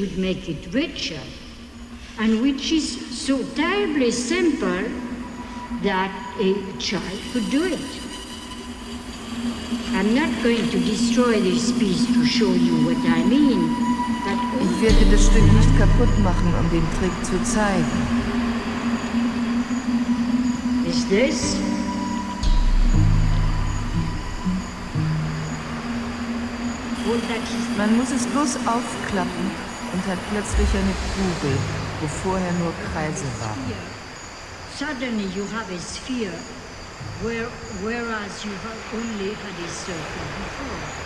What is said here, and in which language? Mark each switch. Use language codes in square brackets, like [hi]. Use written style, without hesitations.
[en] It richer, and which is so terribly simple that a child could do it. I'm not going to destroy this piece to show you what I mean, but [de] ich werde das Stück nicht kaputt machen, um den Trick zu zeigen. [en] Is this? [de] Man muss es bloß aufklappen. Und hat plötzlich eine Kugel, wo vorher nur Kreise waren. [en] Suddenly you have a sphere, whereas you have only had a circle before.